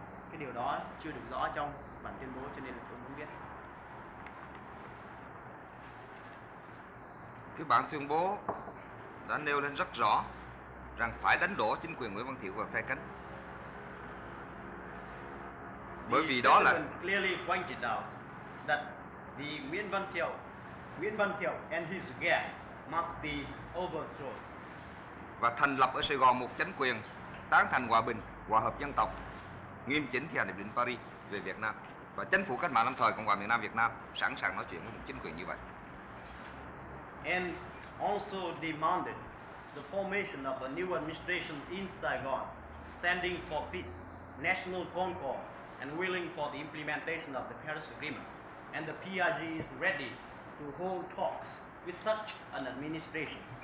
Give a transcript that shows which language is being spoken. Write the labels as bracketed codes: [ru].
[vi] Cái điều đó chưa được rõ trong bản tuyên bố cho nên tôi muốn biết. Cái bản tuyên bố đã nêu lên rất rõ rằng phải đánh đổ chính quyền Nguyễn Văn Thiệu và phe cánh. Bởi vì đó là [en] clearly pointed out that the Nguyễn Văn Thiệu and his gang must be overthrown. [vi] Và thành lập ở Sài Gòn một chính quyền tán thành hòa bình, hòa hợp dân tộc, nghiêm chỉnh thi hành Hiệp định Paris về Việt Nam. Và chính phủ cách mạng lâm thời Cộng hòa miền Nam Việt Nam sẵn sàng nói chuyện với một chính quyền như vậy. [en] And also demanded the formation of a new administration in Saigon, standing for peace, national concord, and willing for the implementation of the Paris Agreement. And the PRG is ready to hold talks with such an administration.